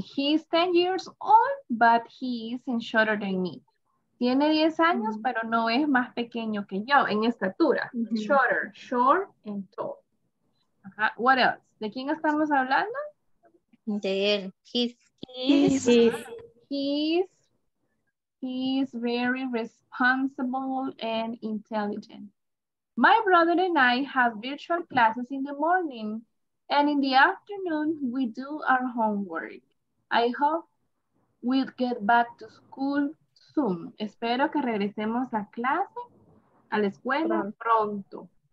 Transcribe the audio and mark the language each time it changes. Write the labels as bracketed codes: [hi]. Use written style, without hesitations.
[en] He's 10 years old, but he isn't shorter than me. [es] Tiene 10 años, mm-hmm. pero no es más pequeño que yo en estatura. [en] Mm-hmm. Shorter, short and tall. Uh-huh. What else? [es] ¿De quién estamos hablando? De él. [en] He's very responsible and intelligent. My brother and I have virtual classes in the morning. And in the afternoon, we do our homework. I hope we'll get back to school soon. [es] Espero que regresemos a clase, a la escuela pronto.